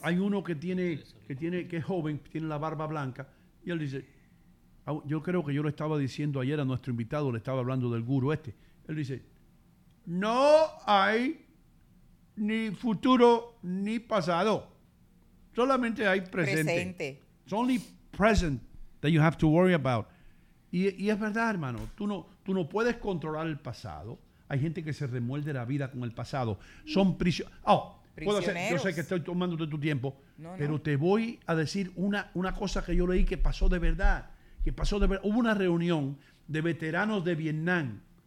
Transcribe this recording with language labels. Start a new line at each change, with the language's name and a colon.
Spanish: Hay uno que es joven, tiene la barba blanca, y él dice, yo creo que yo lo estaba diciendo ayer a nuestro invitado, le estaba hablando del gurú este. Él dice, no hay ni futuro ni pasado, solamente hay presente. Presente.
English: It's only present that you have to worry about.
Spanish: Y es verdad, hermano, tú no puedes controlar el pasado. Hay gente que se remuelde la vida con el pasado. Son prisioneros. Yo sé que estoy tomándote tu tiempo, pero te voy a decir una cosa que yo leí que pasó de verdad. Hubo una reunión de veteranos de Vietnam.